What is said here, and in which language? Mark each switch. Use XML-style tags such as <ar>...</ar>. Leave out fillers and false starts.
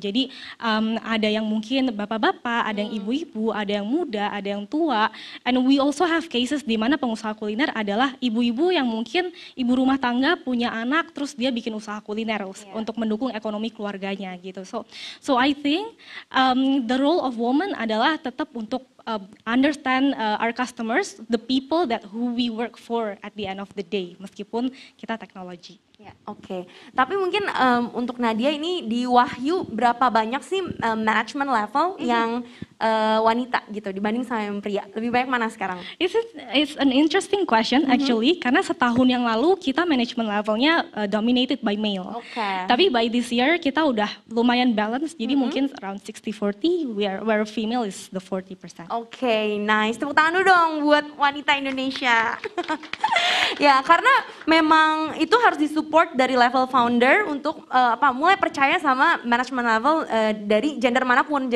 <id>Jadi ada yang mungkin bapak-bapak, ada yang ibu-ibu, ada yang muda, ada yang tua,</id> <en>and we also have cases</en> <id>di mana pengusaha kuliner adalah ibu-ibu yang mungkin ibu rumah tangga punya anak, terus dia bikin usaha kuliner untuk mendukung ekonomi keluarganya. Gitu.</id> <en>So I think the role of woman</en> <id>adalah tetap untuk</id> <en>understand our customers, the people that who we work for at the end of the day,</en> <id>meskipun kita teknologi. Ya, oke. Okay. Tapi mungkin untuk Nadya ini di Wahyoo berapa banyak sih management level yang wanita gitu dibanding sama yang pria? Lebih banyak mana sekarang?</id> <en>It's an interesting question actually,</en> <id>karena setahun yang lalu kita</id> <en>management levelnya dominated by male. Okay.</en> <id>Tapi</id> <en>by this year</en> <id>kita udah lumayan</id> <en>balance,</en> <id>jadi mungkin</id> <en>around 60-40, where female is the 40%.</en> <id>Oke, okay, nice. Tepuk tangan dong buat wanita Indonesia. Ya, karena memang itu harus disupport dari level founder untuk mulai percaya sama management level dari gender manapun.</id>